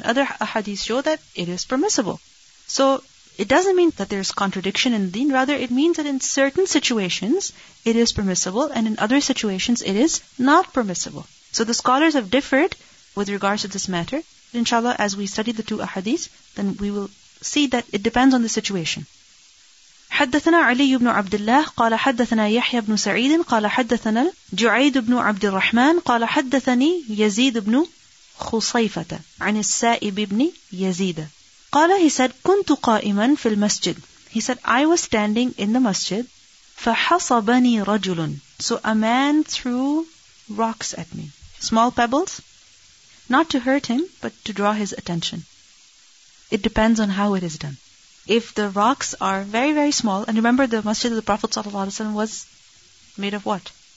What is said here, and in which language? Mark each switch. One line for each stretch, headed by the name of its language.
English: And other ahadith show that it is permissible. So it doesn't mean that there's contradiction in deen. Rather, it means that in certain situations, it is permissible. And in other situations, it is not permissible. So the scholars have differed with regards to this matter. Inshallah, as we study the two ahadith, then we will see that it depends on the situation.
Arabic: حدثنا علي بن عبد الله قال حدثنا يحيى بن سعيد قال حدثنا جعيد بن عبد الرحمن قال حدثني يزيد بن خصيفة عن السائب بن يزيد قال
English: he said
Arabic: كنت قائما في المسجد.
English: He said I was standing in the masjid.
Arabic: فحصبني رجل.
English: So a man threw rocks at me, small pebbles, not to hurt him but to draw his attention. It depends on how it is done. If the rocks are very, very small, and remember the masjid of the Prophet ﷺ was made of what?